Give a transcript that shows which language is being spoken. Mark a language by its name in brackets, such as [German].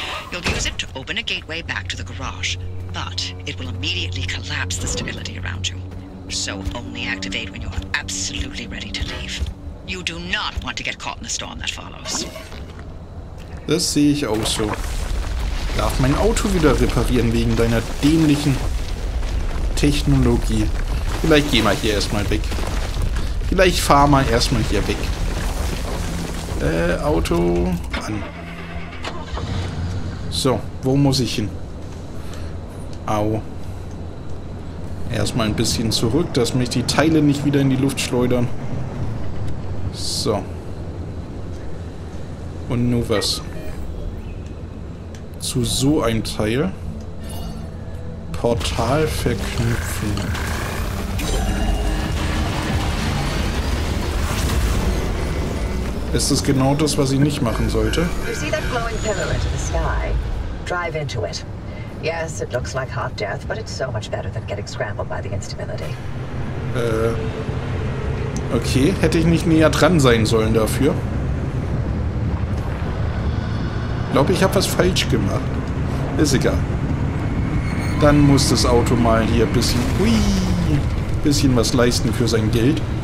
[English] You'll use it to open a gateway back to the garage, but it will immediately collapse the stability around you. So only activate when you're absolutely ready to leave. You do not want to get caught in the storm that follows. [German] Das sehe ich auch so. Darf mein Auto wieder reparieren wegen deiner dämlichen Technologie. Vielleicht geh mal hier erstmal weg. Vielleicht fahr mal erstmal hier weg. Auto an. So, wo muss ich hin? Au. Erstmal ein bisschen zurück, dass mich die Teile nicht wieder in die Luft schleudern. So. Und nur was? Zu so einem Teil. Portal verknüpfen. Ist das genau das, was ich nicht machen sollte? [English] You see that glowing pillar into the sky? Drive into it. Yes, it looks like hot death, but it's so much better than getting scrambled by the instability. [German] Okay, hätte ich nicht näher dran sein sollen dafür. Glaube, ich habe was falsch gemacht. Ist egal. Dann muss das Auto mal hier bisschen was leisten für sein Geld.